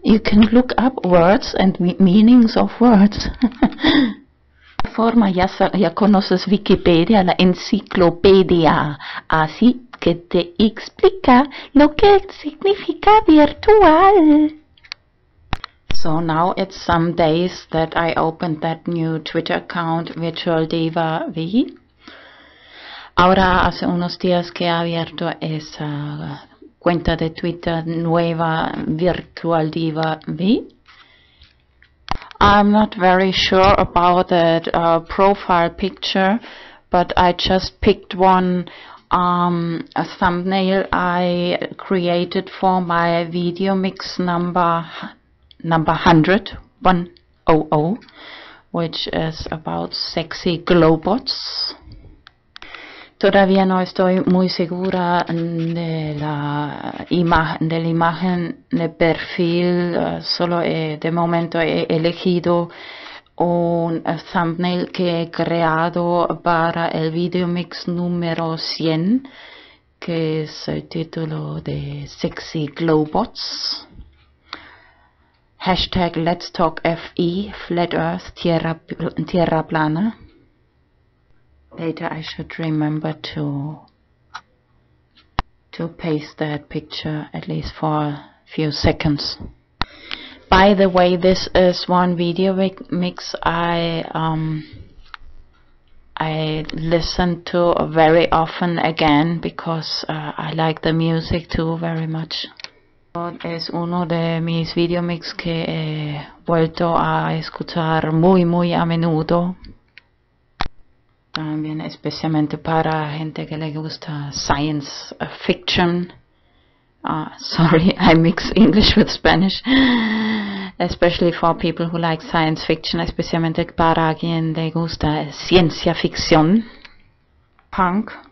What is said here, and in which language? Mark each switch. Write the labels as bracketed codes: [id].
[en] You can look up words and meanings of words. [es] Forma, ya conoces Wikipedia, la enciclopedia, así que te explica lo que significa virtual. [en] So now it's some days that I opened that new Twitter account, Virtual Diva V. [es] Ahora hace unos días que he abierto esa cuenta de Twitter nueva, Virtual Diva V. [en] I'm not very sure about that profile picture, but I just picked one a thumbnail I created for my video mix number 100, which is about sexy globots. [es] Todavía no estoy muy segura de la imagen, de perfil, solo de momento he elegido un thumbnail que he creado para el video mix número 100, que es el título de Sexy Globots. [en] Hashtag Let's Talk FE, Flat Earth, [es] Tierra Plana. [en] Later I should remember to paste that picture at least for a few seconds. By the way, this is one video mix I listen to very often again because I like the music too very much. [es] Es uno de mis video mix que he vuelto a escuchar muy muy a menudo. También especialmente para gente que le gusta [en] science fiction. Sorry, I mix English with Spanish. Especially for people who like science fiction, [es] especialmente para quien le gusta ciencia ficción. [en] Punk.